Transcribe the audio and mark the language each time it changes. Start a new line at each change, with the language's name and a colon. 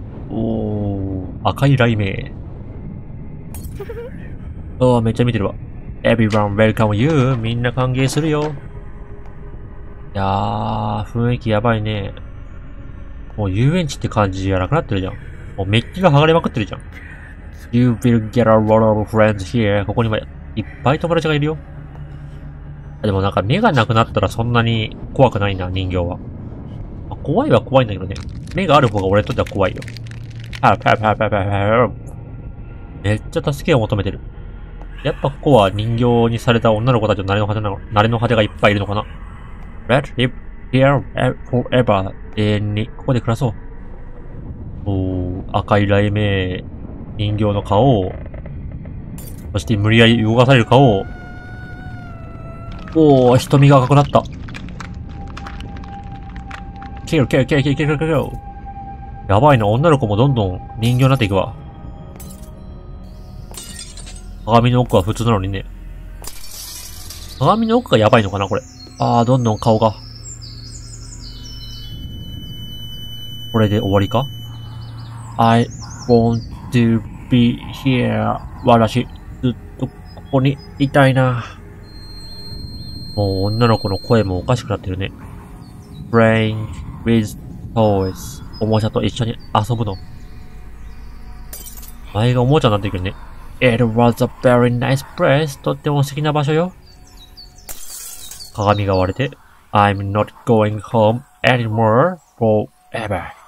Japanese: おー、赤い雷鳴。あー、めっちゃ見てるわ。
English: Everyone welcome you!
Japanese: みんな歓迎するよ。いやー、雰囲気やばいね。もう遊園地って感じじゃなくなってるじゃん。もうメッキが剥がれまくってるじゃん。
English: You will get a lot of friends here.
Japanese: ここにもいっぱい友達がいるよ。でもなんか目がなくなったらそんなに怖くないな、人形は。まあ、怖いは怖いんだけどね。目がある方が俺にとっては怖いよ。パーパーパーパーパーパーパー。めっちゃ助けを求めてる。やっぱここは人形にされた女の子たちの慣れの果てなの、慣れの果てがいっぱいいるのかな。
English: Let live here forever.
Japanese: 永遠に、ここで暮らそう。おー、赤い雷鳴、人形の顔を、そして無理やり動かされる顔を、おー、瞳が赤くなった。キルキルキルキルキルキルキルキル。やばいな、女の子もどんどん人形になっていくわ。鏡の奥は普通なのにね。鏡の奥がやばいのかな、これ。あー、どんどん顔が。これで終わりか
English: ?I want to be here.
Japanese: 私、ずっとここにいたいな。もう女の子の声もおかしくなってるね。
English: Playing with toys.
Japanese: おもちゃと一緒に遊ぶの。前がおもちゃになってくるね。
English: It was a very nice place.
Japanese: とっても素敵な場所よ。鏡が割れて。
English: I'm not going home anymore forever.